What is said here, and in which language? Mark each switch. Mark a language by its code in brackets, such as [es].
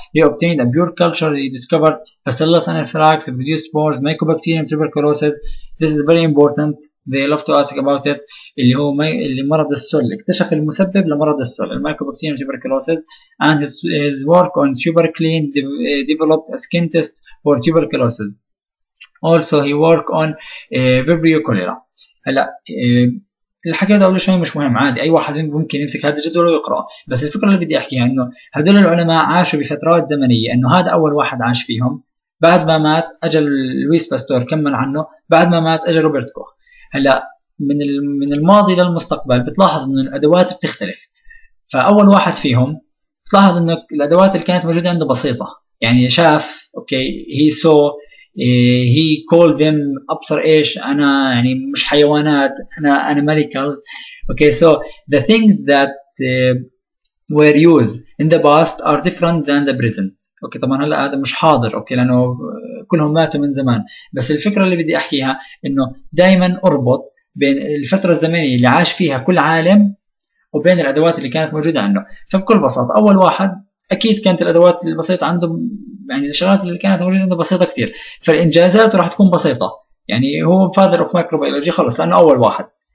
[en] He obtained a pure culture. He discovered Bacillus anthrax, produced spores, mycobacterium tuberculosis. This is very important. They love to ask about it. [ar] اللي هو اللي مرض السل. اكتشف المسبب لمرض السل. [en] Mycobacterium tuberculosis. And his work on tuberculin developed a skin test for tuberculosis. Also he work on Vibrio cholera. [ar] هلا الحكي هذا اول شيء مش مهم عادي اي واحد ممكن يمسك هذا الجدول ويقرا، بس الفكره اللي بدي احكيها انه هذول العلماء عاشوا بفترات زمنيه، انه هذا اول واحد عاش فيهم، بعد ما مات اجى لويس باستور كمل عنه، بعد ما مات اجى روبرت كوخ. هلا من الماضي للمستقبل بتلاحظ انه الادوات بتختلف. فاول واحد فيهم بتلاحظ انه الادوات اللي كانت موجوده عنده بسيطه، يعني شاف اوكي هي سو [en] he called them [ar] أبصر إيش أنا يعني مش حيوانات أنا animals. [en] Okay, so the things that were used in the past are different than the present. [ar] Okay, طبعا هلا هذا مش حاضر أوكي لأنه كلهم ماتوا من زمان، بس الفكرة اللي بدي أحكيها إنه دائما أربط بين الفترة الزمنية اللي عاش فيها كل عالم وبين الأدوات اللي كانت موجودة عنده. فبكل بساطة أول واحد أكيد كانت الأدوات البسيطة عنده، يعني الشغلات اللي كانت موجودة عنده بسيطة كتير، فالإنجازات راح تكون بسيطة، يعني هو [en] father of microbiology [ar] خلص لأنه أول واحد.